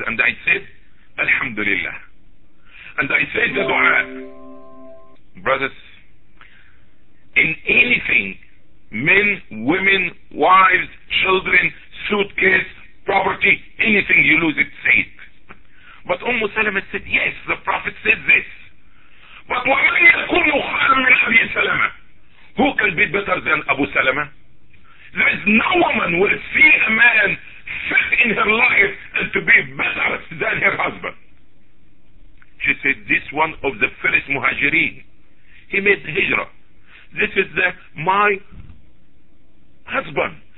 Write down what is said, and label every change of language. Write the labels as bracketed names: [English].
[English] And I said, Alhamdulillah. And I said the dua, brothers, in anything, men, women, wives, children, suitcase, property, anything you lose it, say it. But Umm Salama said, yes, the Prophet said this. [Arabic] But وَمَنْ يَكُونُ خَيْرًا مِنْ أَبِي سَلَمَةً. [English] Who can be better than Abu Salama? There is no woman will see a man fit in her life and to be better than her husband. She said, this one of the first muhajireen. He made hijrah. This is my husband.